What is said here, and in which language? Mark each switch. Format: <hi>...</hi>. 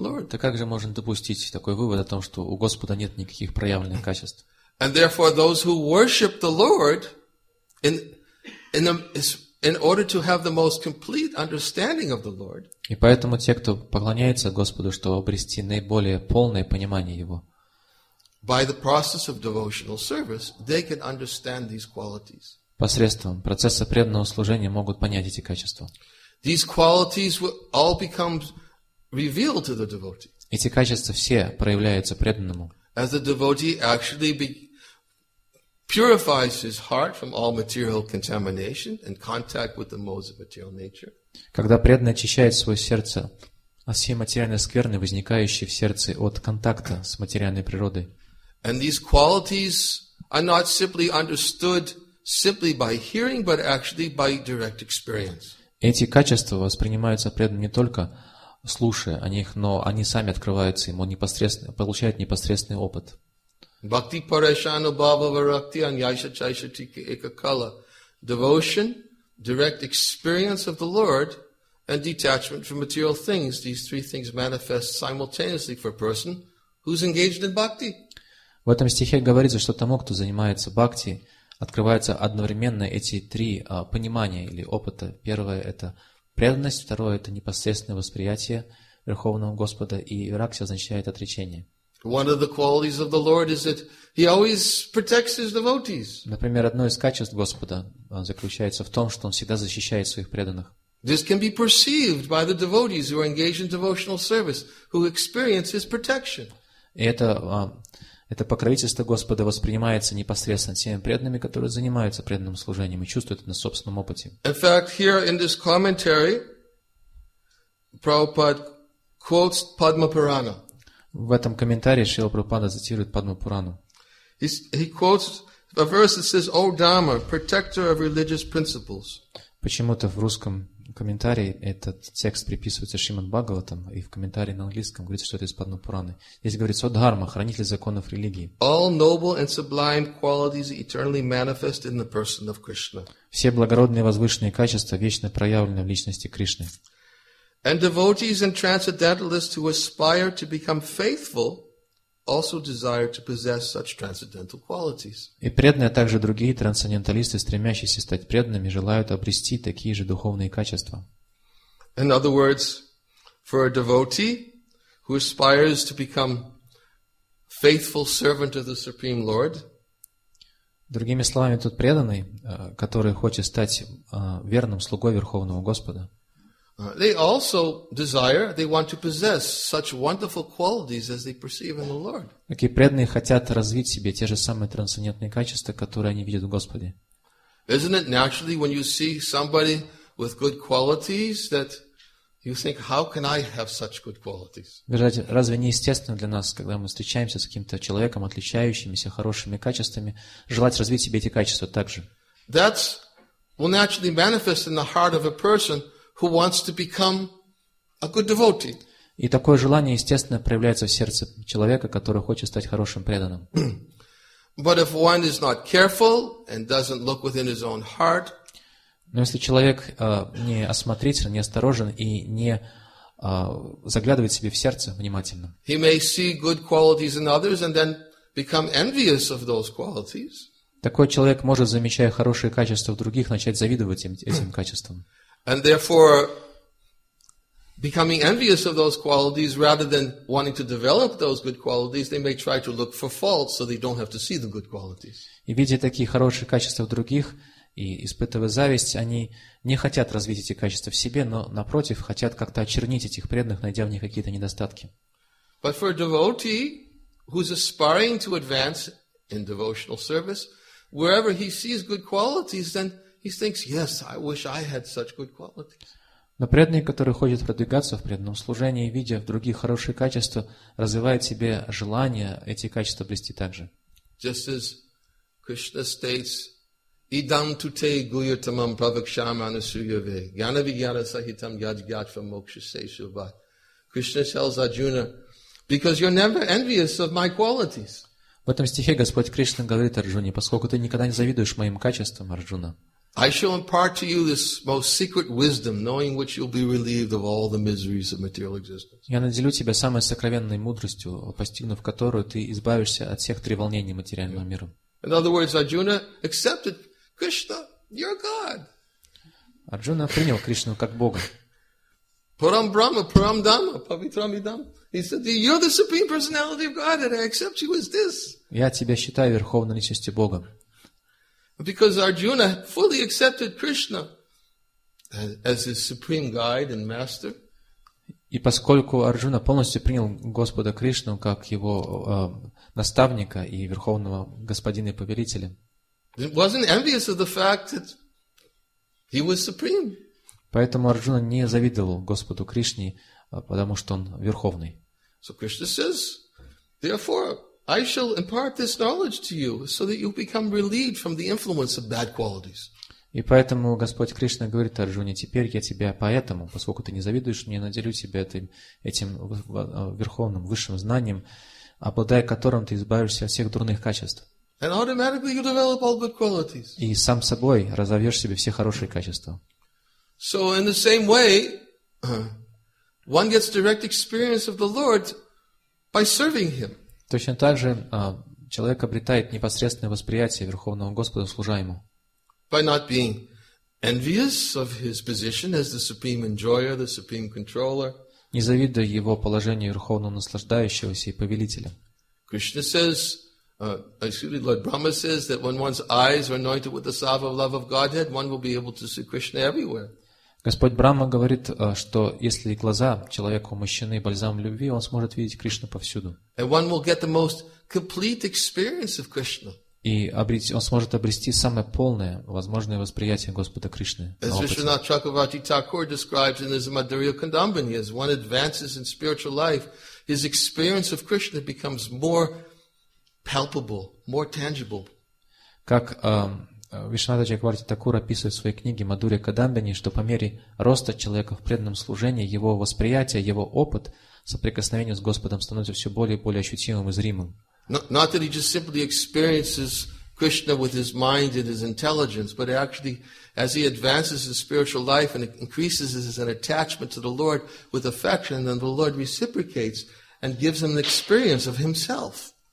<ru>Так как же можно допустить такой вывод о том, что у Господа нет никаких проявленных качеств?</ru> <en>And therefore, those who worship the Lord in order to have the most complete understanding of the Lord.</en> <ru>И поэтому те, кто поклоняется Господу, чтобы обрести наиболее полное понимание Его.</ru> <en>By the process of devotional service, they can understand these qualities.</en> <ru>Посредством процесса преданного служения могут понять эти качества.</ru> <en>These qualities will all become revealed to the devotee.</en> <ru>Эти качества все проявляются преданному.</ru> <en>As the devotee actually purifies his heart from all material contamination and contact with the modes of material nature.</en> <ru>Когда преданный очищает свое сердце от всей материальной скверны, возникающей в сердце от контакта с материальной природой.</ru> <en>And these qualities are not simply understood simply by hearing, but actually by direct experience.</en> <ru>Эти качества воспринимаются преданным не только слушая о них, но они сами открываются ему, непосредственно, получают непосредственный опыт.</ru> <sa>Бхакти парешану бхава варакти аньяйша чайша тика экакала.</sa> <en>Devotion, direct experience of the Lord, and detachment from material things. These three things manifest simultaneously for a person who's engaged in bhakti.</en> <ru>В этом стихе говорится, что тому, кто занимается бхакти, открываются одновременно эти три понимания или опыта. Первое – это преданность, второе – это непосредственное восприятие Верховного Господа, и иракси означает отречение.</ru> <en>One of the qualities of the Lord is that He always protects His devotees.</en> <ru>Например, одно из качеств Господа заключается в том, что Он всегда защищает своих преданных.</ru> <en>This can be perceived by the devotees who are engaged in devotional service, who experience His protection.</en> <ru>И это покровительство Господа воспринимается непосредственно теми преданными, которые занимаются преданным служением и чувствуют это на собственном опыте.</ru> <en>In fact, here in this commentary, Prabhupada quotes Padma Purana.</en> <ru>В этом комментарии Шрила Прабхупада цитирует Падма Пурану.</ru> <en>He quotes a verse that says, "O Dhamma, protector of religious principles."</en> <ru>Почему-то в русском комментарии этот текст приписывается Шримад Бхагаватам, и в комментарии на английском говорится, что это из Падма Пураны. Здесь говорится, "О Дхарма, хранитель законов религии."</ru> <en>All noble and sublime qualities eternally manifest in the person of Krishna.</en> <ru>Все благородные возвышенные качества вечно проявлены в личности Кришны.</ru> <en>And devotees and transcendentalists who aspire to become faithful also desire to possess such transcendental qualities.</en> <ru>И преданные, а также другие трансценденталисты, стремящиеся стать преданными, желают обрести такие же духовные качества.</ru> <en>In other words, for a devotee who aspires to become faithful servant of the Supreme Lord.</en> <ru>Другими словами, тот преданный, который хочет стать верным слугой Верховного Господа.</ru> <en>They also desire, they want to possess such wonderful qualities as they perceive in the Lord.</en> <ru>Такие преданные хотят развить в себе те же самые трансцендентные качества, которые они видят в Господе.</ru> <en>Isn't it naturally when you see somebody with good qualities that you think, how can I have such good qualities?</en> <ru>Разве не естественно для нас, когда мы встречаемся с каким-то человеком, отличающимися хорошими качествами, желать развить себе эти качества также?</ru> <en>That will naturally manifest in the heart of a person who wants to become a good devotee.</en> <ru>И такое желание, естественно, проявляется в сердце человека, который хочет стать хорошим преданным.</ru> <en>But if one is not careful and doesn't look within his own heart,</en> <ru>но если человек не осмотрителен, не осторожен и не заглядывает себе в сердце внимательно,</ru> <en>he may see good qualities in others and then become envious of those qualities.</en> <ru>Такой человек может, замечая хорошие качества в других, начать завидовать этим качествам.</ru> <en>And therefore, becoming envious of those qualities, rather than wanting to develop those good qualities, they may try to look for faults, so they don't have to see the good qualities.</en> <ru>И видя такие хорошие качества в других и испытывая зависть, они не хотят развить эти качества в себе, но напротив, хотят как-то очернить этих преданных, найдя в них какие-то недостатки.</ru> <en>But for a devotee who's aspiring to advance in devotional service, wherever he sees good qualities, then he thinks, yes, I wish I had such good qualities.</en> <ru>Но преданный, который хочет продвигаться в преданном служении, видя в других хорошие качества, развивает в себе желание эти качества обрести также.</ru> <en>Just as Krishna states,</en> <sa>idam tute guyatamam pravakshama anasuyave gyanavigyana sahitam yajgyatvam mokshasesuva.</sa> <en>Krishna tells Arjuna, because you're never envious of my qualities.</en> <ru>В этом стихе Господь Кришна говорит Арджуне, поскольку ты никогда не завидуешь моим качествам, Арджуна.</ru> <en>I shall impart to you this most secret wisdom, knowing which you'll be relieved of all the miseries of material existence.</en> <ru>Я наделю тебя самой сокровенной мудростью, постигнув которую, ты избавишься от всех треволнений материального мира.</ru> <en>In other words, Arjuna accepted Krishna, you're God.</en> <ru>Арджуна принял Кришну как Бога.</ru> <sa>Param Brahma, Param Dhamma, Pavitram Idam.</sa> <en>He said, you're the supreme personality of God, and I accept you as this.</en> <ru>Я тебя считаю верховной личностью Бога.</ru> <en>Because Arjuna fully accepted Krishna as his supreme guide and master.</en> <ru>И поскольку Арджуна полностью принял Господа Кришну как его наставника и верховного господина и повелителя.</ru> <en>He wasn't envious of the fact that he was supreme.</en> <ru>Поэтому Арджуна не завидовал Господу Кришне, потому что он верховный.</ru> <en>So Krishna says, therefore, I shall impart this knowledge to you so that you become relieved from the influence of bad qualities.</en> <ru>И поэтому Господь Кришна говорит Арджуне, теперь я тебя поэтому, поскольку ты не завидуешь мне, наделю тебя этим верховным, высшим знанием, обладая которым ты избавишься от всех дурных качеств.</ru> <en>And automatically you develop all good qualities.</en> <ru>И сам собой разовьешь в себе все хорошие качества.</ru> <en>So in the same way, one gets direct experience of the Lord by serving Him.</en> <ru>Точно так же человек обретает непосредственное восприятие Верховного Господа, служа Ему.</ru> <en>By not being envious of His position as the supreme enjoyer, the supreme controller.</en> <ru>Не завидуя Его положению Верховного Наслаждающегося и Повелителя.</ru> <en>Krishna says, Lord Brahma says that when one's eyes are anointed with the salve of love of Godhead, one will be able to see Krishna everywhere.</en> <ru>Господь Брахма говорит, что если глаза человека умощены бальзамом любви, он сможет видеть Кришну повсюду.</ru> <en>And one will get the most complete experience of Krishna.</en> <ru>И он сможет обрести самое полное возможное восприятие Господа Кришны.</ru> <en>As Vishwanath Chakravarti Thakur describes in his Madhurya Kandambani, as one advances in spiritual life, his experience of Krishna becomes more palpable, more tangible.</en> <ru>Как Вишнуната Чакварти Такура описывает в своей книге Мадурья Кадамбини, что по мере роста человека в преданном служении, его восприятие, его опыт соприкосновения с Господом становится все более и более ощутимым и зримым.</ru> <en>Not that he just simply experiences Krishna with his mind and his intelligence, but actually as he advances his spiritual life and increases his attachment to the Lord with affection, then the Lord reciprocates and gives him an experience of himself.</en>